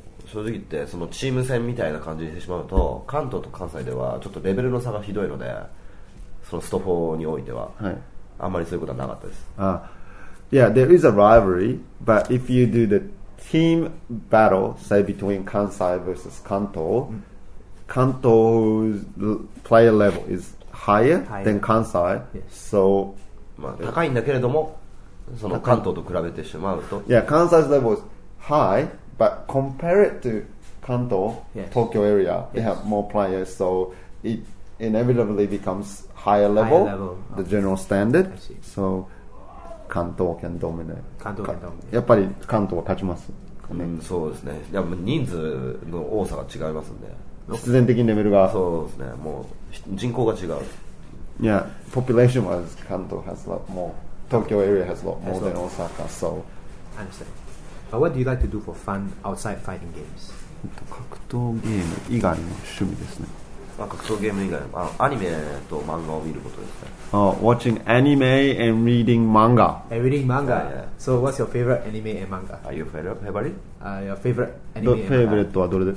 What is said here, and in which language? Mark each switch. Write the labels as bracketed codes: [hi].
[ja] 正直言ってそのチーム戦みたいな感じにしてしまうと、関東と関西ではちょっとレベルの差がひどいので、そのスト4においては、はい、あんまりそういうことはなかったです。 [en] Yeah, there is a rivalry, but if you do the team battle, say between Kansai versus Kanto,、 mm. Kanto's player level is higher than Kansai,、 yes. so... [ja] まあ、高いんだけれども、その関東と比べてしまうと。 [en] Yeah, Kansai's level is high, but compare it to Kanto,、 yes. Tokyo area, yes. they have more players, so it inevitably becomes higher level, the general standard. I see. [ja] So... 関東圏ドミネ。関東圏ドミネ。やっぱり関東は勝ちます、ね。そうですね。やっぱ人数の多さが違いますんで。必然的にレベルが。そうですね。もう人口が違う。 [en] Yeah, population wise, 関東 has a lot more. Tokyo area has a lot more than Osaka. So. Understand. But what do you like to do for fun outside fighting games? [ja] 格闘ゲーム以外の趣味ですね。まあ、格闘ゲーム以外の、アニメと漫画を見ることですね。 [en] Watching anime and reading manga. And reading manga. Yeah. So, what's your favorite anime and manga? Are you favorite? Your favorite anime. The favorite [ja] はどれで？